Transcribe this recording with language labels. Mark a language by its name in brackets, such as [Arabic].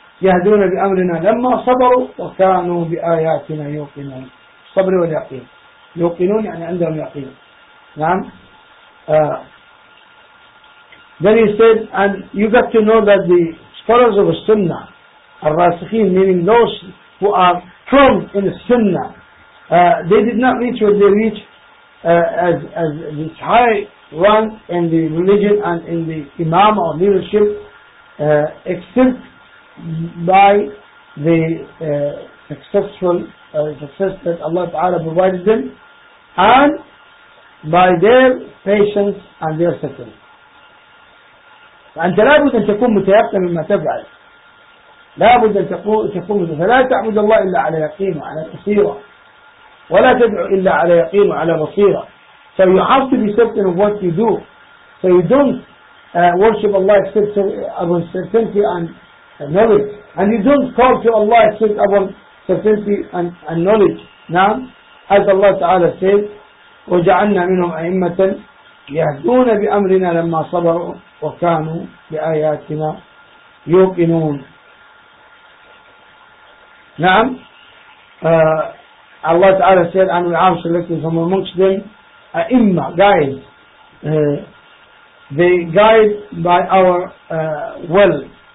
[Arabic] يهدون بأمرنا لما صبروا وكانوا بآياتنا يوقنون. صبر واليقين، يوقنون يعني عندهم يقين. نعم. [English] Then he said, and you got to know that the scholars of the Sunnah, الراسخين, meaning those who are firm in the Sunnah, they did not reach what they reached as this high rank in the religion and in the imam or leadership, except by the success that Allah Ta'ala provided them, and by their patience and their suffering. [Arabic] فأنت لابد أن تكون متيقن مما تفعل، لابد أن تكون فلا تعبد الله إلا على يقين وعلى بصيرة، ولا تدعو إلا على يقين وعلى بصيرة. [English] So you have to be certain of what you do. So you don't worship Allah except upon certainty and knowledge. And you don't call to Allah except upon certainty and knowledge. [Arabic] نعم. [English] As Allah Ta'ala said, [Arabic] وجعلنا منهم أئمة يهدون بأمرنا لما صبروا وكانوا بآياتنا يوقنون. نعم. [English] Allah Ta'ala said, and we have selected from amongst them أئمة guides. They guide by our will.